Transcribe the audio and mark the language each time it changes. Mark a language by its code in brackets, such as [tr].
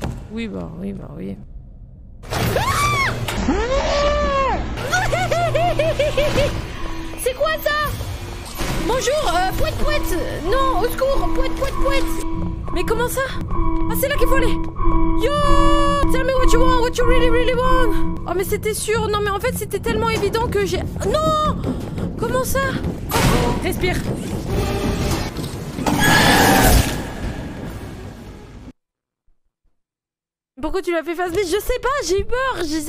[fr] Oui, bah oui, bah oui. C'est quoi ça? Bonjour, pouette pouette. Non, au secours, pouette pouette pouette. Mais comment ça? Ah, c'est là qu'il faut aller. [en] Yo, tell me what you want, what you really really want. [fr] Oh mais c'était sûr, non mais en fait c'était tellement évident que j'ai... Non. Comment ça? Respire. Pourquoi tu l'as fait face? Mais je sais pas, j'ai eu peur.